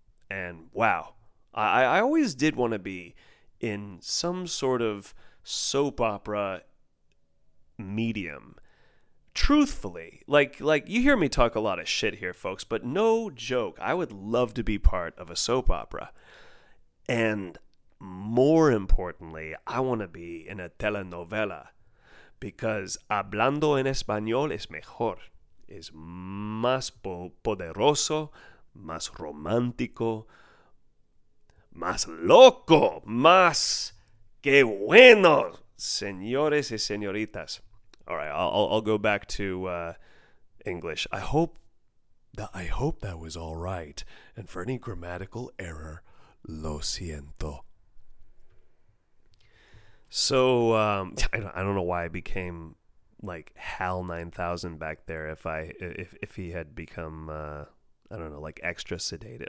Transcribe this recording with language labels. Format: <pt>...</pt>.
<en>And wow, I always did want to be in some sort of soap opera medium. Truthfully, like you hear me talk a lot of shit here, folks, but no joke, I would love to be part of a soap opera. And more importantly, I want to be in a telenovela because</en> <es>hablando en español es mejor, es más poderoso, más romántico, más loco, más que bueno, señores y señoritas.</es> <en>All right, I'll go back to English. I hope that was all right. And for any grammatical error,</en> <es>lo siento.</es> <en>So, I don't know why I became like Hal 9000 back there if he had become, I don't know, like extra sedated.</en>